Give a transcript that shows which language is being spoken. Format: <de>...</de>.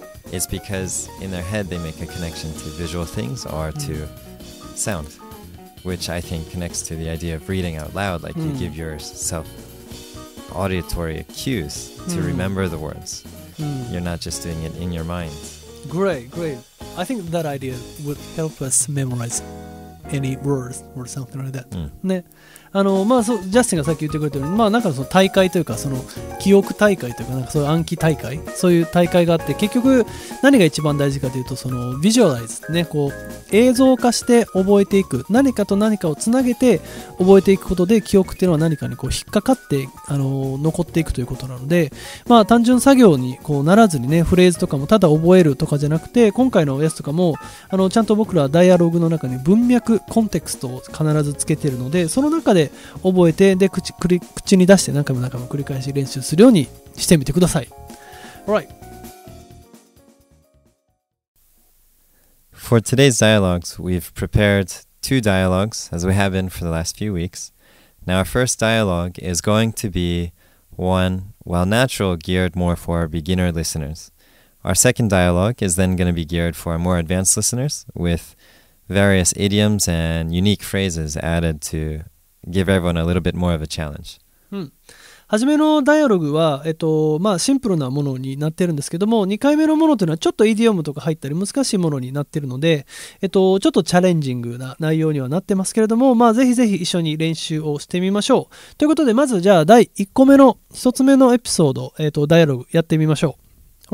<en>It's because in their head they make a connection to visual things or to sound, which I think connects to the idea of reading out loud, like you give yourself auditory cues to remember the words. You're not just doing it in your mind. Great, great. I think that idea would help us memorize any words or something like that.</en> <ja>ね。あの、まあ、そう、ジャスティンがさっき言ってくれたように、まあ、なんかその大会というか、その記憶大会というか、なんかそういう暗記大会、そういう大会があって、結局何が一番大事かというと、そのビジュアライズ、ね、こう映像化して覚えていく、何かと何かをつなげて覚えていくことで、記憶っていうのは何かにこう引っかかって、残っていくということなので、まあ、単純作業にこうならずにね、フレーズとかもただ覚えるとかじゃなくて、今回のやつとかも、ちゃんと僕らはダイアログの中に文脈、コンテクストを必ずつけているので、その中で覚えて、で 口に出して何回も何回も繰り返し練習するようにしてみてください。</ja> <en>Alright. For today's dialogues, we've prepared two dialogues, as we have been for the last few weeks. Now, our first dialogue is going to be one, while natural, geared more for beginner listeners. Our second dialogue is then going to be geared for more advanced listeners with various idioms and unique phrases added to give everyone a little bit more of a challenge.</en> <ja>はじめのダイアログは、まあ、シンプルなものになっているんですけども、2回目のものというのはちょっとイディオムとか入ったり難しいものになっているので、ちょっとチャレンジングな内容にはなってますけれども、まあ、ぜひぜひ一緒に練習をしてみましょう。ということで、まずじゃあ第1個目の1つ目のエピソード、ダイアログやってみましょう。</ja>